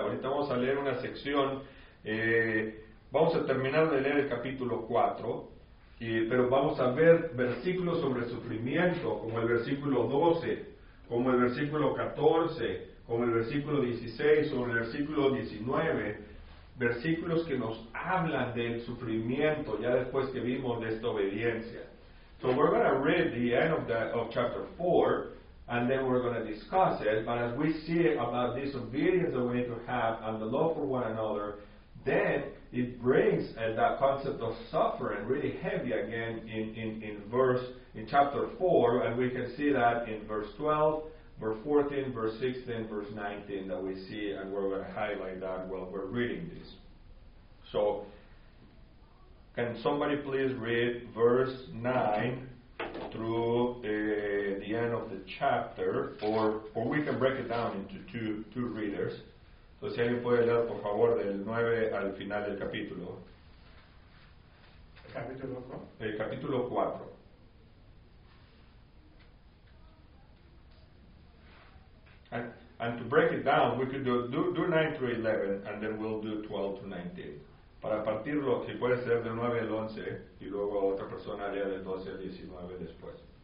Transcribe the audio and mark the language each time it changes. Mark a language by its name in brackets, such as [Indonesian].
[Spanish] Ahorita vamos a leer una sección, vamos a terminar de leer el capítulo 4, pero vamos a ver versículos sobre sufrimiento, como el versículo 12, como el versículo 14, como el versículo 16, o el versículo 19, versículos que nos hablan del sufrimiento, ya después que vimos de esta obediencia. [English] So we're going to read the end of chapter 4, and then we're going to discuss it, but as we see about this obedience that we need to have, and the love for one another, then it brings that concept of suffering really heavy again in chapter 4, and we can see that in verse 12, verse 14, verse 16, verse 19 that we see, and we're going to highlight that while we're reading this. So, can somebody please read verse 9 through the end of the chapter, or we can break it down into two readers. [Spanish] So, si alguien puede leer, por favor, del 9 al final del capítulo. Capítulo 4. [English] And to break it down, we could do 9 through 11, and then we'll do 12 to 19. [Spanish] Para partirlo, si puede ser del 9 al 11, y luego otra persona lea del 12 al 19 después.